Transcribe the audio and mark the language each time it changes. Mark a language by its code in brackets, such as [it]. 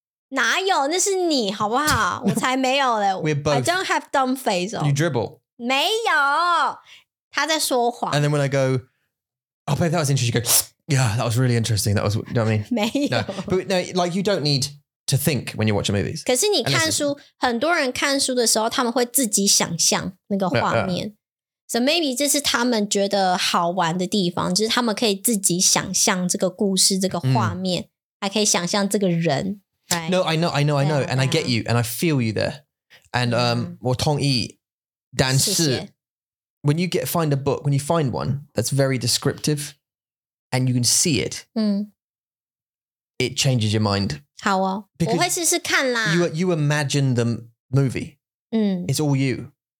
[zh] 哪有？那是你好不好？我才没有嘞。 [en] We're both. I don't have dumb face. You dribble. [zh] 没有，他在说谎。 [en] And then when I go, oh, babe, that was interesting. You go, yeah, that was really interesting. That was, you know what I mean? [zh] 没有。 [en] No, but no, like you don't need to think when you're watching movies. [zh] 可是你看书，很多人看书的时候，他们会自己想象那个画面。 [en] So maybe [zh] 这是他们觉得好玩的地方，就是他们可以自己想象这个故事、这个画面，还可以想象这个人。 [en] Right. No, I know. And I get you. And I feel you there. And [zh] 我同意, 但是, [en] when you find a book, when you find one that's very descriptive and you can see it, it changes your mind. [zh] 好哦,我会试试看啦。 [en] You imagine the movie. It's all you.